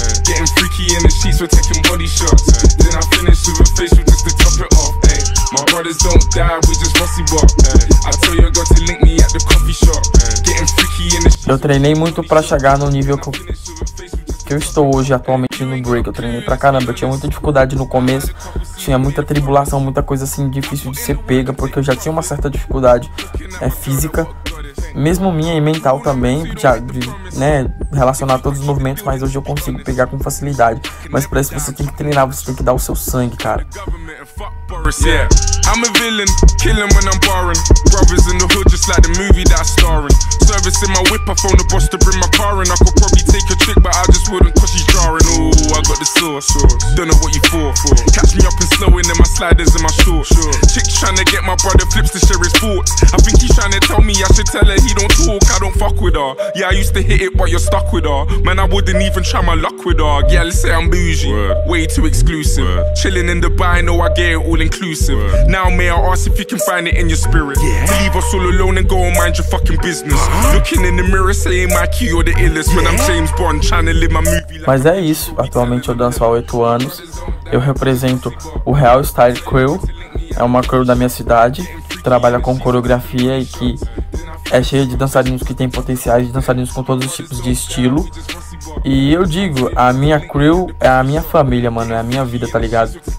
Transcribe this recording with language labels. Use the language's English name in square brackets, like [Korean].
[English] Getting freaky in the sheets, we're taking body shots. Then I finish with a facial just to top it off. Ay. My brothers don't die, we just rusty bop. I tell your girl to link me at the coffee shop. Getting freaky in the sheets. [Portuguese] Eu treinei muito pra chegar no nível que eu estou hoje atualmente no break. Eu treinei pra caramba, eu tinha muita dificuldade no começo. Tinha muita tribulação, muita coisa assim difícil de ser pega, porque eu já tinha uma certa dificuldade física. Mesmo minha e mental também, né, relacionar todos os movimentos, mas hoje eu consigo pegar com facilidade. Mas pra isso você tem que treinar, você tem que dar o seu sangue, cara. [English] I'm a villain, killing when I'm barring. Brothers in the hood, just like the movie that I star in. Service in my whip, I phone the boss to bring my car in. I could probably take a trick, but I just wouldn't, cause she's jarring. Ooh, I got the sauce, don't know what you for. Catch me up and slowing in my sliders and my shorts. Chick's trying to get my brother flips to share his thoughts. I think he's trying to tell me I should tell her he don't talk, I don't fuck with her. Yeah, I used to hit it, but you're stuck with her. Man, I wouldn't even try my luck with her. Yeah, let's say I'm bougie, way too exclusive. Chilling in Dubai, know I get it all inclusive. Now may I ask if you can find it in your spirit, yeah. To leave us all alone and go and mind your fucking business, huh? Looking in the mirror saying my key or the illest, yeah. When I'm James Bond trying to live my movie like. [Portuguese] Mas é isso, atualmente eu danço há 8 anos. Eu represento o Real Style Crew. É uma crew da minha cidade que trabalha com coreografia e que é cheia de dançarinos que tem potenciais, de dançarinos com todos os tipos de estilo. E eu digo, a minha crew é a minha família, mano. É a minha vida, tá ligado?